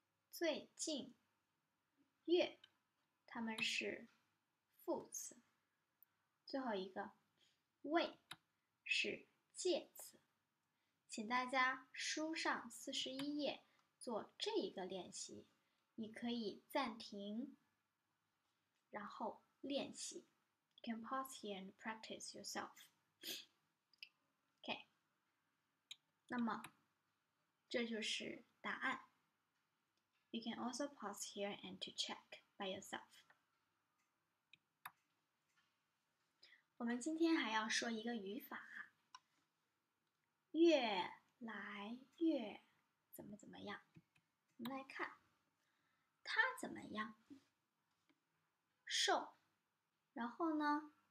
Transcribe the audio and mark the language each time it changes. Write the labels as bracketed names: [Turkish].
[Chinese] 最近月它们是副词。最后一个为是介词。请大家书上41页做这一个练习，你可以暂停然后练习。 [English] You can pause here and practice yourself. [Chinese] OK. 那么这就是答案。 [English] You can also pause here and to check by yourself. [Chinese] 我们今天还要说一个语法。越来越怎么怎么样。我们来看。他怎么样？瘦。然后呢？